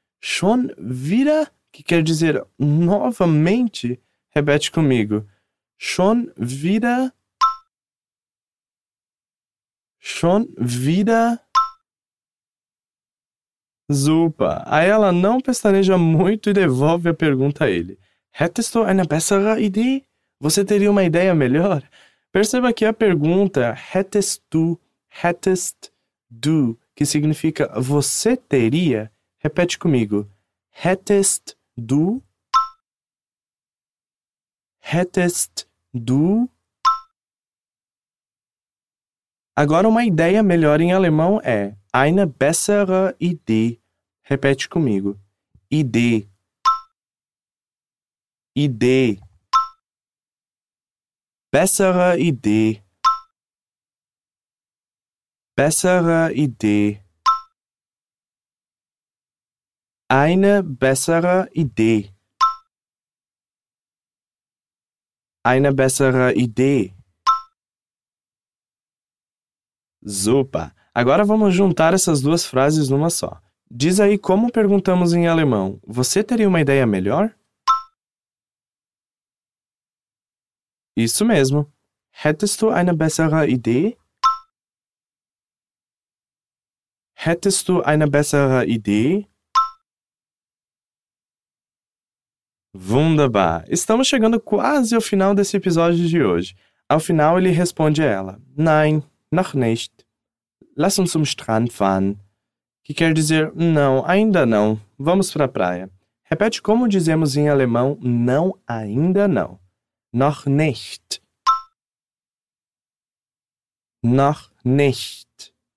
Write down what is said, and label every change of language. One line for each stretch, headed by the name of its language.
German: Schon wieder?
Portuguese: Que quer dizer novamente? Repete comigo.
German: Schon wieder? Schon wieder?
Portuguese: Super. Aí ela não pestaneja muito e devolve a pergunta a ele.
German: Hättest du eine bessere Idee?
Portuguese: Você teria uma ideia melhor? Perceba que a pergunta
German: Hättest du, hättest du,
Portuguese: que significa você teria, repete comigo.
German: Hättest du? Hättest du?
Portuguese: Agora uma ideia melhor em alemão é
German: eine bessere Idee.
Portuguese: Repete comigo. Idee.
German: Idee. Bessere Idee. Bessere Idee. Eine bessere Idee. Eine bessere Idee.
Portuguese: Super. Agora vamos juntar essas duas frases numa só. Diz aí como perguntamos em alemão. Você teria uma ideia melhor? Isso mesmo.
German: Hättest du eine bessere Idee? Hättest du eine bessere Idee? Wunderbar.
Portuguese: Estamos chegando quase ao final desse episódio de hoje. Ao final, ele responde a ela.
German: Nein, noch nicht. Lass uns zum Strand fahren.
Portuguese: Que quer dizer, não, ainda não. Vamos para a praia. Repete como dizemos em alemão, não, ainda não.
German: Noch nicht. Noch nicht.